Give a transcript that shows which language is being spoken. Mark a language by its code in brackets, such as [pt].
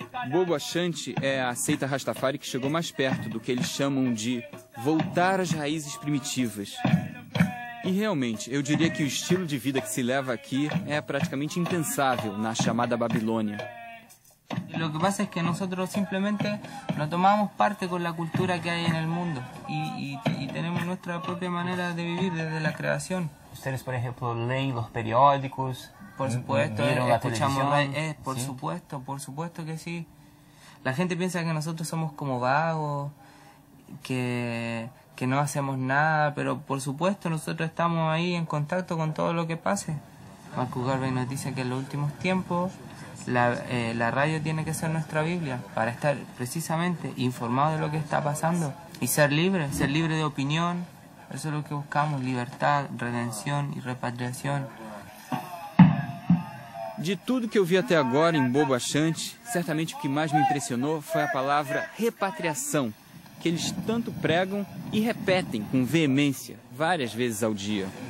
[pt] Boboachante é a seita Rastafari que chegou mais perto do que eles chamam de voltar às raízes primitivas. E realmente, eu diria que o estilo de vida que se leva aqui é praticamente impensável na chamada Babilônia. [es] Lo que pasa es que nosotros simplemente no tomamos parte con la cultura que hay en el mundo y tenemos nuestra propia manera de vivir desde la creación. Ustedes, por ejemplo, leen los periódicos. Por supuesto, escuchamos la televisión. Por supuesto que sí. La gente piensa que nosotros somos como vagos, que no hacemos nada, pero por supuesto nosotros estamos ahí en contacto con todo lo que pase. Marco Garvey nos dice que en los últimos tiempos la radio tiene que ser nuestra Biblia para estar precisamente informado de lo que está pasando y ser libre de opinión. Eso es lo que buscamos, libertad, redención y repatriación. [pt] De tudo que eu vi até agora em Boboachante, certamente o que mais me impressionou foi a palavra repatriação, que eles tanto pregam e repetem com veemência várias vezes ao dia.